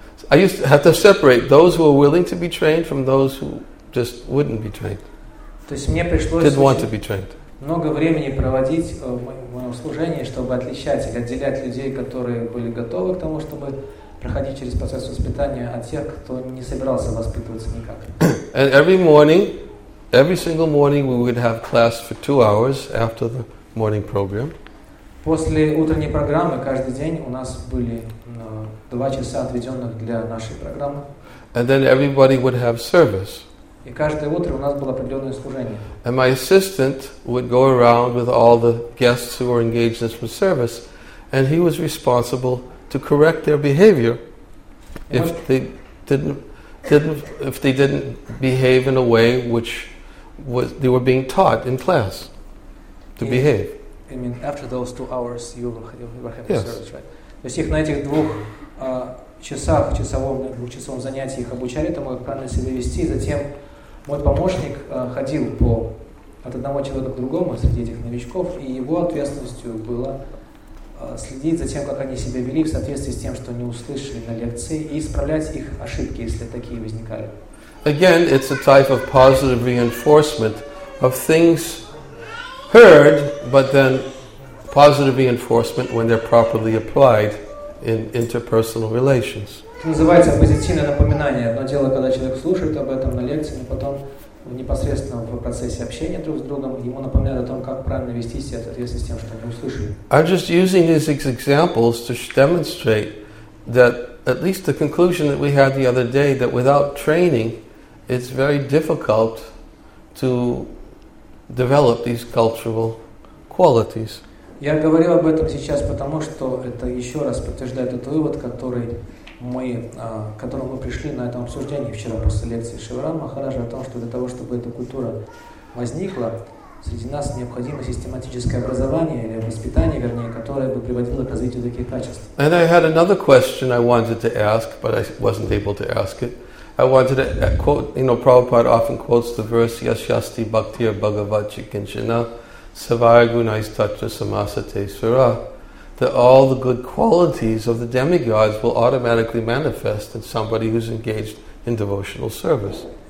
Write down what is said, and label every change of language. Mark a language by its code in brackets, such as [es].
[en] I used to have to separate those who were willing to be trained from those who just wouldn't be trained. [ru] То есть мне пришлось [en] didn't want to be trained. [ru] Много времени проводить в моем служении, чтобы отличать или отделять людей, которые были готовы к тому, чтобы проходить через процесс воспитания, от тех, кто не собирался воспитываться никак. [en] And every morning, every single morning we would have class for 2 hours after the morning program. [ru] После утренней программы каждый день у нас были 2 часа отведенных для нашей программы. [en] And then everybody would have service. [ru] И каждое утро у нас было определенное служение. [en] And my assistant would go around with all the guests who were engaged in some service, and he was responsible to correct their behavior if they didn't behave in a way which was they were being taught in class to behave. I mean, after those 2 hours, you were having service, right? [ru] То есть их на этих двухчасовом занятии их обучали тому, как правильно себя вести, затем мой помощник ходил от одного человека к другому среди этих новичков, и его ответственностью было следить за тем, как они себя вели в соответствии с тем, что они услышали на лекции, и исправлять их ошибки, если такие возникали. [en] Again, it's a type of positive reinforcement of things heard, but then positive reinforcement when they're properly applied in interpersonal relations. [ru] Это называется позитивное напоминание. Одно дело, когда человек слушает об этом на лекции, но потом непосредственно в процессе общения друг с другом ему напоминают о том, как правильно вести себя в соответствии с тем, что они услышали. [en] I'm just using these examples to demonstrate that at least the conclusion that we had the other day that without training, it's very difficult to develop these cultural qualities. [ru] Я говорю об этом сейчас, потому что это еще раз подтверждает этот вывод, к которому мы пришли на этом обсуждении вчера после лекции Шиварам Махараджа, о том, что для того, чтобы эта культура возникла, среди нас необходимо систематическое образование или воспитание, вернее, которое бы приводило к развитию таких качеств. [en] And I had another question I wanted to ask, but I wasn't able to ask it. I wanted to quote, you know, Prabhupada often quotes the verse [sa] Yashyasti Bhaktir Bhagavat Chikinshina Savaya Gunais Tatra Samasate Sura, [en] that all the good qualities of the demigods will automatically manifest in somebody who's engaged in devotional service.